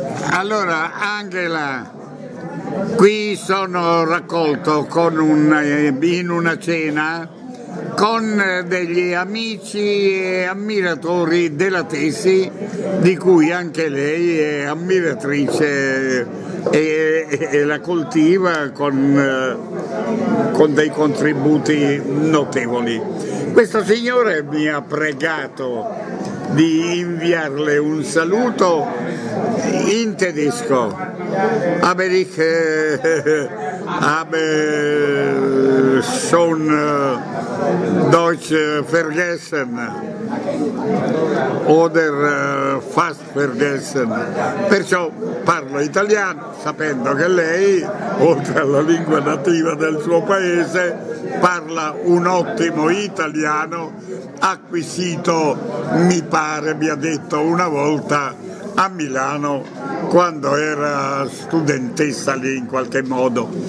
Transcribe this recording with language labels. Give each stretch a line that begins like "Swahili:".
Italian: Allora, Angela, qui sono raccolto in una cena con degli amici e ammiratori della tesi, di cui anche lei è ammiratrice e la coltiva con dei contributi notevoli. Questo signore mi ha pregato di inviarle un saluto in tedesco.
German: Aber ich habe schon Deutsch vergessen oder fast vergessen.
Italian: Perciò parlo italiano, sapendo che lei, oltre alla lingua nativa del suo paese, parla un ottimo italiano acquisito, mi pare, mi ha detto una volta, a Milano, quando era studentessa lì in qualche modo.